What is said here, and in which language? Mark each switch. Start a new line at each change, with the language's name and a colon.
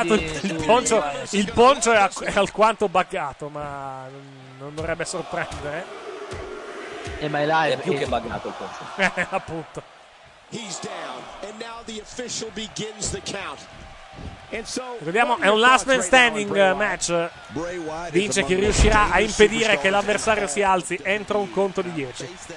Italian: Tratto, il poncio è alquanto buggato, ma non dovrebbe sorprendere. E mai live è più che buggato il poncio. Appunto.
English: He's down and now the official begins the count.
Italian: Ricordiamo, è un last man standing match. Vince chi riuscirà a impedire che l'avversario si alzi entro un conto di 10.